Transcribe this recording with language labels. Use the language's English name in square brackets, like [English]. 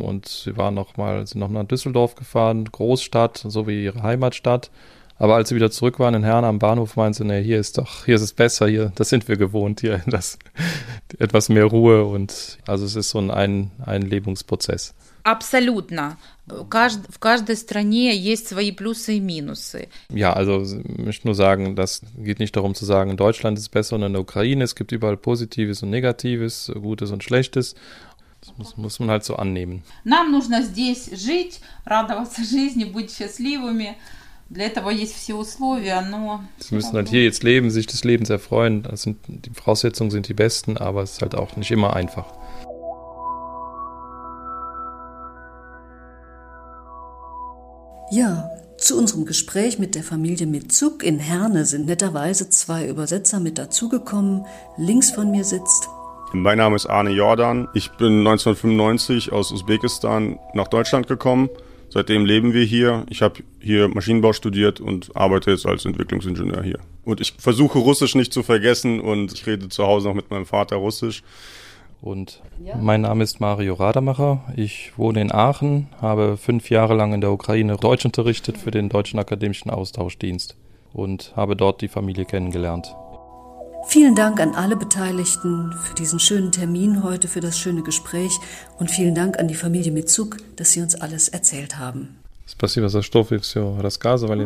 [German] Und sie sind noch mal nach Düsseldorf gefahren, Großstadt, so wie ihre Heimatstadt. Aber als sie wieder zurück waren in Herne am Bahnhof, meinten sie, nee, hier ist es besser, hier, das sind wir gewohnt, hier das, etwas mehr Ruhe. Und also es ist so ein Einlebungsprozess. Absolut. [Russian] В каждой стране есть свои плюсы и минусы. [German] Ja, also ich möchte nur sagen, das geht nicht darum zu sagen, in Deutschland ist es besser und in der Ukraine. Es gibt überall Positives und Negatives, Gutes und Schlechtes. Das muss man halt so annehmen. [Russian] Нам нужно здесь жить, радоваться жизни, быть счастливыми. Для этого есть все условия, но... [German] Sie müssen halt hier jetzt leben, sich des Lebens erfreuen. Die Voraussetzungen sind die besten, aber es ist halt auch nicht immer einfach. Ja, zu unserem Gespräch mit der Familie Mitsuk in Herne sind netterweise 2 Übersetzer mit dazugekommen. Links von mir sitzt... Mein Name ist Arne Jordan. Ich bin 1995 aus Usbekistan nach Deutschland gekommen. Seitdem leben wir hier. Ich habe hier Maschinenbau studiert und arbeite jetzt als Entwicklungsingenieur hier. Und ich versuche Russisch nicht zu vergessen und ich rede zu Hause noch mit meinem Vater Russisch. Und mein Name ist Mario Rademacher. Ich wohne in Aachen, habe 5 Jahre lang in der Ukraine Deutsch unterrichtet für den Deutschen Akademischen Austauschdienst und habe dort die Familie kennengelernt. Vielen Dank an alle Beteiligten für diesen schönen Termin heute, für das schöne Gespräch und vielen Dank an die Familie Mitsuk, dass sie uns alles erzählt haben. [Russian] Спасибо за что вы все рассказывали.